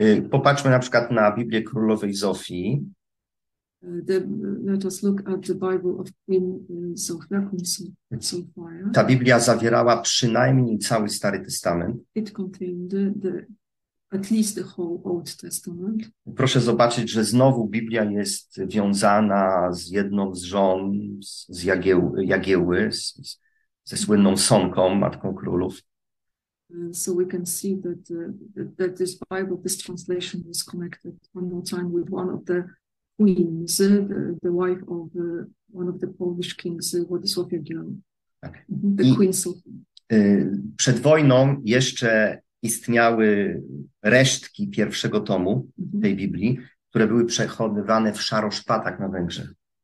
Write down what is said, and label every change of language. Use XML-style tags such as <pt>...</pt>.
<pl>Popatrzmy na przykład na Biblię Królowej Zofii.</pl> <en>Let us look at the Bible of Queen Zofia, Queen Zofia.</en> <pl>Ta Biblia zawierała przynajmniej cały Stary Testament.</pl> <en>It contained at least the whole Old Testament.</en> <pl>Proszę zobaczyć, że znowu Biblia jest wiązana z jedną z żon, z Jagieły, ze słynną Sonką, Matką Królów.</pl> <en>So we can see that that this Bible, this translation is connected one more time with one of the queens, the wife of one of the Polish kings, Władysław Jagiełło.</en> <pl>Tak.</pl> <en>The Queen Sophie.</en> <pl>Przed wojną jeszcze istniały resztki pierwszego tomu tej Biblii, które były przechowywane w szaroszpatach na Węgrzech.</pl>